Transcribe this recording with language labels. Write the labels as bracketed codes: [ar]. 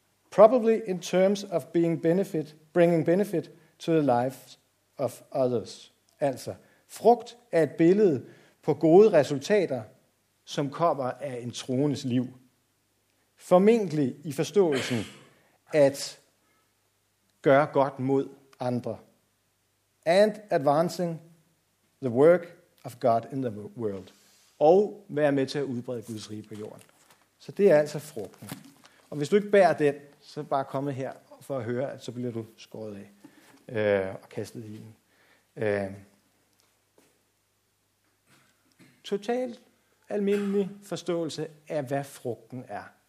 [en] Probably in terms of bringing benefit to the lives of others. [da] Altså, frugt er et billede på gode resultater, som kommer af en troendes liv. Formentlig i forståelsen at gøre godt mod andre. [en] And advancing the work of God in the world. [da] Og være med til at udbrede Guds rige på jorden. Så det er altså frugten. Og hvis du ikke bærer den, så bare komme her for at høre, at så bliver du skåret af og kastet i den. Totalt almindelig forståelse af, hvad frugten er.